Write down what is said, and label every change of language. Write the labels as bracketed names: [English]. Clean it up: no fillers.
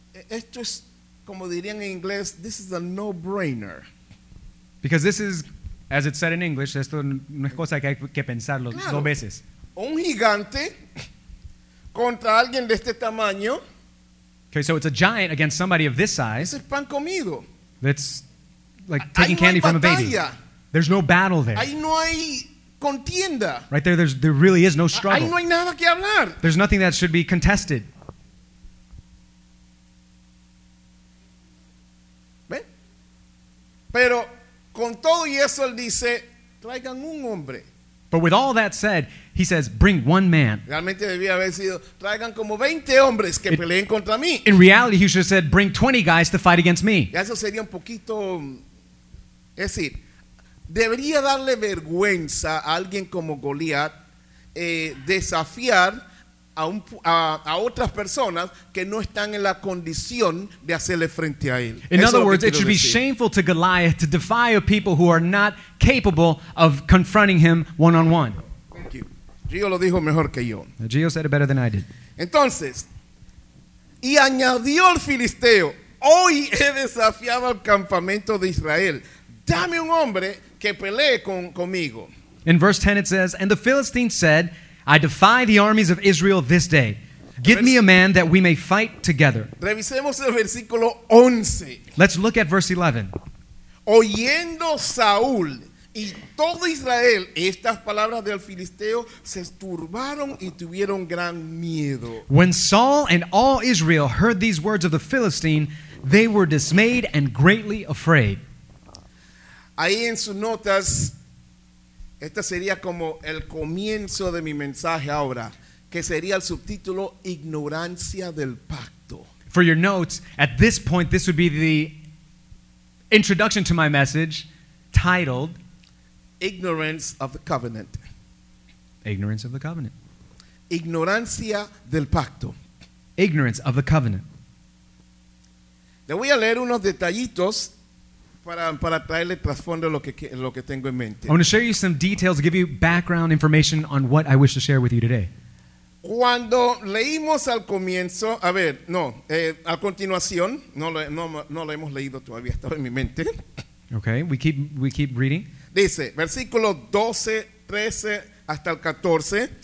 [Spanish] Esto es, como dirían en inglés, [English] this is a no-brainer. Because this is, as it's said in English, [Spanish] esto no es cosa que hay que pensarlo, claro, dos veces. Un gigante contra alguien de este tamaño. [English] Okay, so it's a giant against somebody of this size. [Spanish] Es pan comido. [English] That's like taking candy from a baby. There's no battle there. [Spanish] Ahí no hay contienda. [English] Right there, there really is no struggle. [Spanish] Ahí no hay nada que hablar. [English] There's nothing that should be contested. [Spanish] Pero con todo y eso él dice, traigan un hombre. [English] But with all that said, he says, bring one man. [Spanish] Realmente debía haber sido, traigan como 20 hombres que peleen contra mí. [English] In reality, he should have said, bring 20 guys to fight against me. [Spanish] Y eso sería un poquito, es decir, debería darle vergüenza a alguien como Goliat desafiar a otras personas que no están en la condición de hacerle frente a él. [English] In other words, it should be shameful to Goliath to defy a people who are not capable of confronting him one on one. Thank you. [Spanish] Gio lo dijo mejor que yo. [English] Gio said it better than I did. [Spanish] Entonces, y añadió el filisteo, hoy he desafiado al campamento de Israel. Dame un hombre que pelee conmigo. [English] In verse 10 it says, and the Philistine said, I defy the armies of Israel this day. Give me a man that we may fight together. [Spanish] Revisemos el versículo 11. [English] Let's look at verse 11. [Spanish] Oyendo Saúl y todo Israel, estas palabras del filisteo se turbaron y tuvieron gran miedo. [English] When Saul and all Israel heard these words of the Philistine, they were dismayed and greatly afraid. [Spanish] Ahí en sus notas, este sería como el comienzo de mi mensaje ahora, que sería el subtítulo Ignorancia del Pacto. [English] For your notes, at this point, this would be the introduction to my message titled Ignorance of the Covenant. Ignorance of the Covenant. [Spanish] Ignorancia del Pacto. [English] Ignorance of the Covenant. [Spanish] Le voy a leer unos detallitos para traerle trasfondo lo que tengo en mente. [English] I want to share you some details, give you background information on what I wish to share with you today. [Spanish] Cuando leímos al comienzo, a ver, no, a continuación, no lo hemos leído todavía, estaba en mi mente. [English] Okay, we keep reading. [Spanish] Dice, versículo 12, 13 hasta el 14.